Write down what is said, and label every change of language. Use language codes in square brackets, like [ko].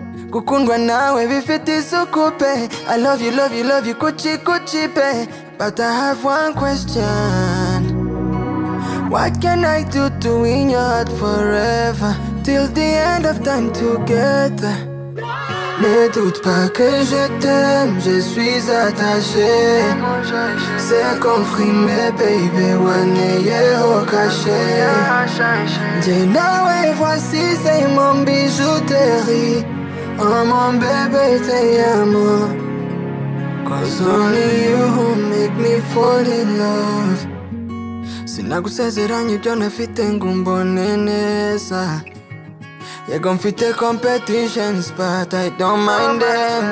[rw] Kukundwa nawe bifite isuku pe. [en] I love you, love you, love you, kuchi kuchi pe. But I have one question. What can I do to win your heart forever? Till the end of time together. [fr] Ne doute pas que je t'aime, je suis attaché. C'est confirmé, baby, one year au cachet. J'ai nawe, voici, c'est mon bijouterie. Oh mon bébé, t'es à moi. [en] Cause only you who make me fall in love. [rw] Sinagusezeranye ibyo nafite ngo mbone neza. Yego mfite [en] competitions but I don't mind them.